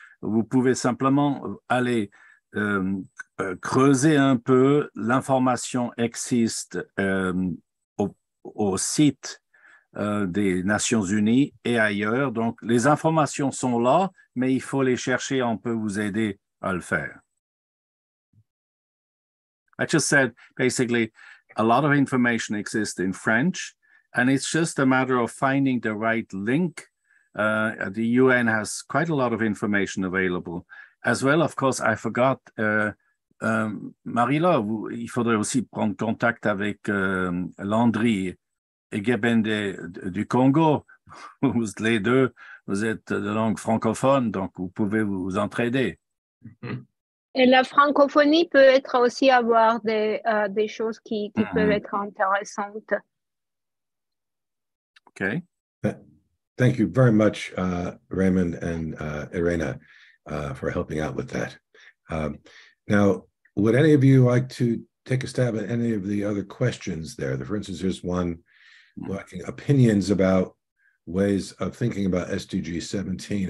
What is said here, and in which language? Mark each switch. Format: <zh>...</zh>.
<fr>Vous pouvez simplement aller... creuser un peu, l'information existe au site des Nations Unies et ailleurs. Donc, les informations sont là, mais il faut les chercher. On peut vous aider à le faire.</fr> <en>I just said, basically, a lot of information exists in French, and it's just a matter of finding the right link. The UN has quite a lot of information available. As well, of course, I forgot...</en> <fr>Marie-Laure, il faudrait aussi prendre contact avec Landry et Gebende du Congo. Vous, les deux, vous êtes de langue francophone, donc vous pouvez vous entraider. Et la francophonie peut être aussi avoir des choses qui peuvent être intéressantes. OK.</fr> <en>Thank you very much, Raymond and Irena, for helping out with that. Now, would any of you like to take a stab at any of the other questions there? For instance, there's one lacking opinions about ways of thinking about SDG 17.</en>